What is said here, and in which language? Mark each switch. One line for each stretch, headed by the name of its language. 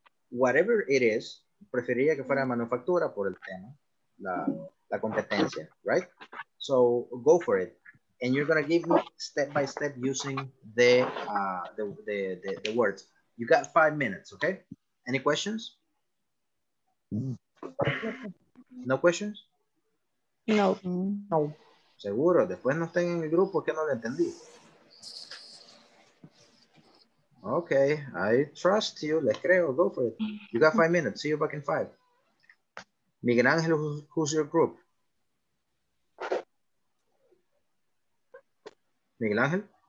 English: Whatever it is,
Spanish: preferiría que fuera manufactura por el tema, la competencia,
English: right? So go for it. And you're gonna give me step by step using the words. You got 5 minutes, okay? Any questions? No questions? No. No.
Spanish: Seguro, después no estén en el grupo, que no le entendí.
English: Okay, I trust you,
Spanish: les creo,
English: go for it. You got 5 minutes, see you back in 5. Miguel Ángel, who's your group? Miguel Ángel?